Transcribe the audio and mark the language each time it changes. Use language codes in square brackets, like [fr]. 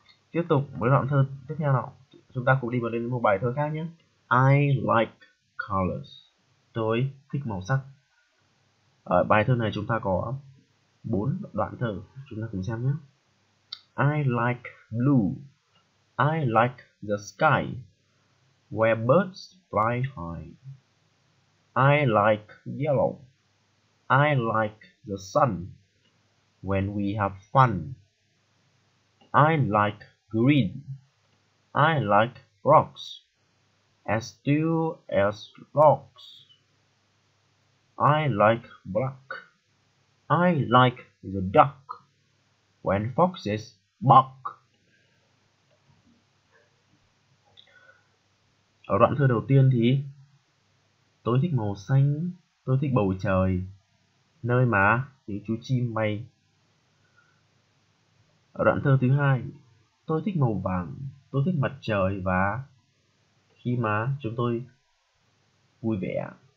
[vi] Tiếp tục với đoạn thơ tiếp theo nào, chúng ta cùng đi vào đến một bài thơ khác nhé. [en] I like colors, [vi] tôi thích màu sắc. Ở bài thơ này chúng ta có bốn đoạn thơ, chúng ta cùng xem nhé. [en] I like blue, I like the sky where birds fly high. I like yellow, I like the sun when we have fun. I like green, I like rocks, as still as rocks. I like black, I like the duck when foxes bark. [vi] Ở đoạn thơ đầu tiên thì tôi thích màu xanh, tôi thích bầu trời, nơi mà những chú chim bay. Ở đoạn thơ thứ hai, tôi thích màu vàng, tôi thích mặt trời và khi mà chúng tôi vui vẻ.